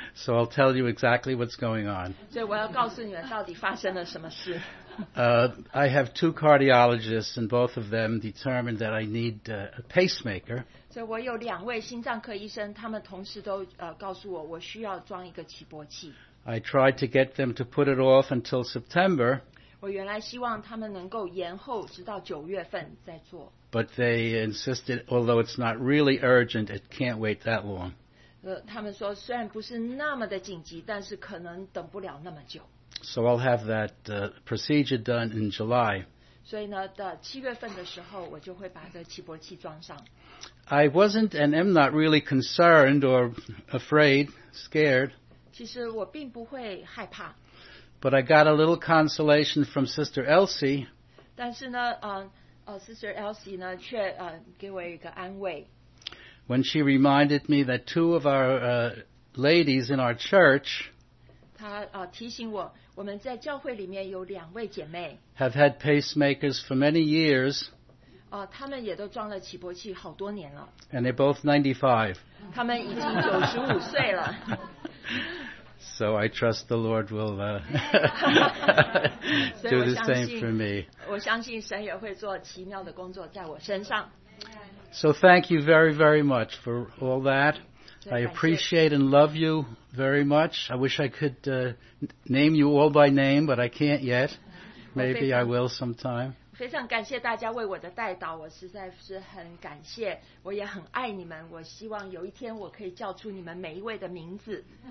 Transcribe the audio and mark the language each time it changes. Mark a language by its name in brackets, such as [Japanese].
[English] So I'll tell you exactly what's going on. [Chinese] 所以我要告诉你们到底发生了什么事。 [English] I have two cardiologists, and both of them determined that I need a pacemaker. [Chinese] So 我有两位心脏科医生，他们同时都告诉我，我需要装一个起搏器。 [English] I tried to get them to put it off until September. [Chinese] 我原来希望他们能够延后，直到九月份再做。 [English] But they insisted, although it's not really urgent, it can't wait that long. [Chinese] 他们说虽然不是那么的紧急，但是可能等不了那么久。 [English] So I'll have that procedure done in July. [Chinese] 所以呢，到七月份的时候，我就会把这起搏器装上。 [English] I wasn't and am not really concerned or afraid, scared. [Chinese] 其实我并不会害怕。 [English] But I got a little consolation from Sister Elsie. [Chinese] 但是呢，Sister Elsie 呢，却给我一个安慰。 [English] When she reminded me that two of our ladies in our church. [Chinese] 她提醒我。我们在教会里面有两位姐妹 [English] have had pacemakers for many years. [Chinese] 她们也都装了起搏器好多年了 [English] And they're both 95. [Chinese] 她们已经95岁了 [English] So I trust the Lord will do the same for me. [Chinese] 我相信神也会做奇妙的工作在我身上 [English] So thank you very, very much for all that. I appreciate and love you. Very much. I wish I could name you all by name, but I can't yet. Maybe I will sometime. [Chinese] 非常感谢大家为我的代祷，我实在是很感谢，我也很爱你们。我希望有一天我可以叫出你们每一位的名字。